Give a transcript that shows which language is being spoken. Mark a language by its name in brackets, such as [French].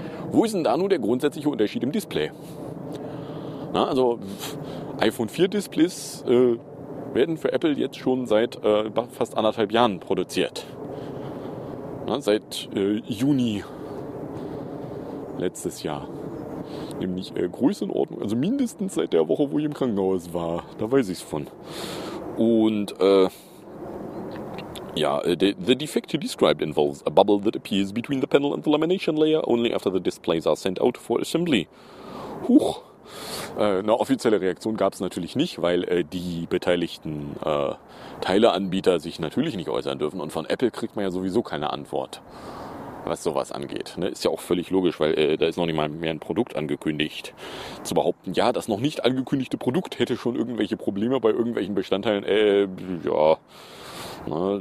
[German] Wo ist denn da nur der grundsätzliche Unterschied im Display? Na, also iPhone 4 Displays werden für Apple jetzt schon seit fast anderthalb Jahren produziert. Na, seit Juni letztes Jahr. Nämlich Größenordnung, also mindestens seit der Woche, wo ich im Krankenhaus war. Da weiß ich es von. Und [English] Yeah, the defect you described involves a bubble that appears between the panel and the lamination layer only after the displays are sent out for assembly. Huch. [German] Eine offizielle Reaktion gab es natürlich nicht, weil die beteiligten Teileanbieter sich natürlich nicht äußern dürfen. Und von Apple kriegt man ja sowieso keine Antwort, was sowas angeht. Ne? Ist ja auch völlig logisch, weil da ist noch nicht mal mehr ein Produkt angekündigt. Zu behaupten, ja, das noch nicht angekündigte Produkt hätte schon irgendwelche Probleme bei irgendwelchen Bestandteilen, ja. Ne?